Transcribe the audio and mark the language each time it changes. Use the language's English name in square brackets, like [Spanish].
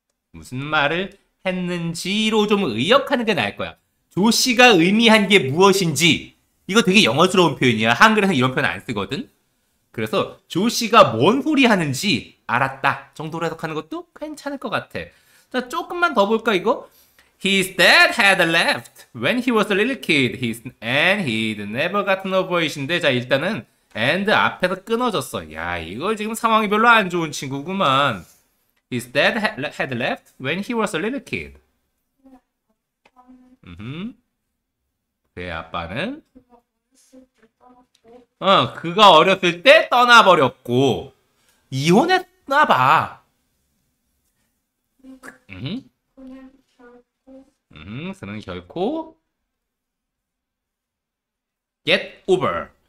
[Korean] 무슨 말을 했는지로 좀 의역하는 게 나을 거야. 조씨가 의미한 게 무엇인지. 이거 되게 영어스러운 표현이야. 한글에서 이런 표현 안 쓰거든. 그래서 조씨가 뭔 소리 하는지 알았다 정도로 해석하는 것도 괜찮을 것 같아. 자, 조금만 더 볼까, 이거? [English] His dad had left when he was a little kid. And he'd never gotten over it [Korean] 인데, 자, 일단은 [English] and [Korean] 앞에서 끊어졌어. 야, 이거 지금 상황이 별로 안 좋은 친구구만. [English] His dad had left when he was a little kid. [Korean] 그의 아빠는 그가 어렸을 때 떠나버렸고 이혼했나 봐. 그는 결코 [English] get over.